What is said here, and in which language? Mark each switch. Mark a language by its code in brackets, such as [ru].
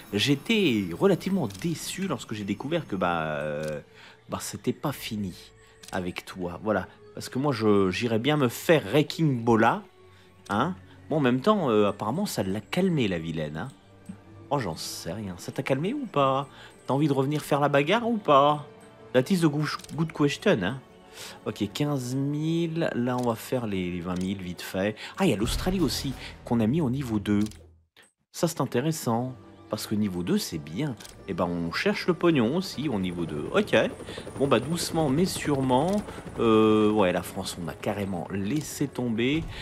[fr] J'étais relativement déçu lorsque j'ai découvert que, c'était pas fini avec toi. Voilà. Parce que moi, j'irais bien me faire Wrecking Bola. Hein? Bon, en même temps, apparemment, ça l'a calmé, la vilaine, hein. Oh, j'en sais rien. Ça t'a calmé ou pas? T'as envie de revenir faire la bagarre ou pas? [en] That is a good question, hein. [fr] Ok, 15 000. Là, on va faire les 20 000, vite fait. Ah, il y a l'Australie aussi, qu'on a mis au niveau 2. Ça, c'est intéressant. Parce que niveau 2, c'est bien. Eh ben, on cherche le pognon aussi au niveau 2. Ok. Bon, bah, doucement, mais sûrement. Ouais, la France, on a carrément laissé tomber.